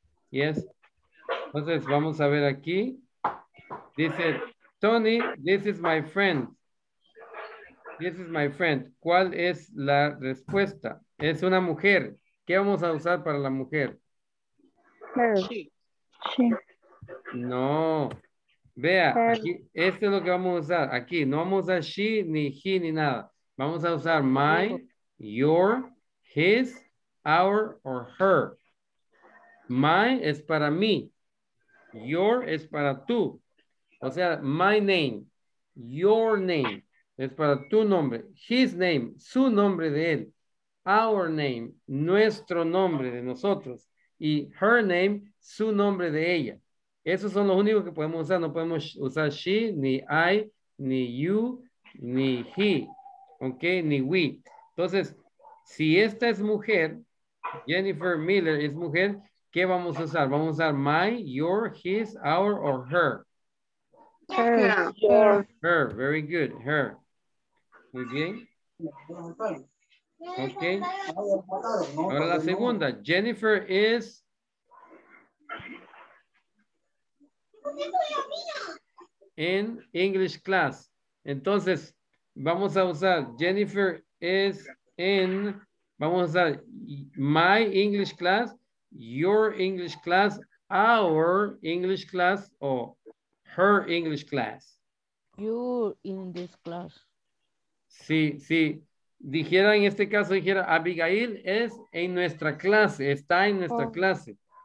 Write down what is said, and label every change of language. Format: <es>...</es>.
<en>Yes.</en> <es>Entonces, vamos a ver aquí. Dice,</es> <en>Tony, this is my friend. This is my friend.</en> <es>¿Cuál es la respuesta? Es una mujer. ¿Qué vamos a usar para la mujer?</es> <en>Her. She.</en> <es>No. Vea, aquí, esto es lo que vamos a usar. Aquí, no vamos a usar she, ni he, ni nada. Vamos a usar</es> <en>my, your, his, our, or her.</en> <es>My es para mí. Your es para tú. O sea,</es> <en>my name. Your name</en> <es>es para tu nombre.</es> <en>His name,</en> <es>su nombre de él.</es> <en>Our name,</en> <es>nuestro nombre de nosotros. Y</es> <en>her name,</en> <es>su nombre de ella. Esos son los únicos que podemos usar. No podemos usar she, ni I, ni you, ni he. Ok, ni we. Entonces, si esta es mujer, Jennifer Miller es mujer, ¿qué vamos a usar? Vamos a usar</es> <en>my, your, his, our, or her. Her. Her, very good, her.</en> <es>Muy bien.</es> <en>Ok.</en> <es>Ahora la segunda. Jennifer is...</es> <en>in English class.</en> <es>Entonces, vamos a usar</es> <en>Jennifer is in...</en> <es>Vamos a usar</es> <en>my English class, your English class, our English class, o her English class. Your English class.</en> <es>Sí, sí. Dijera en este caso, dijera Abigail es en nuestra clase, está en nuestra clase.</es>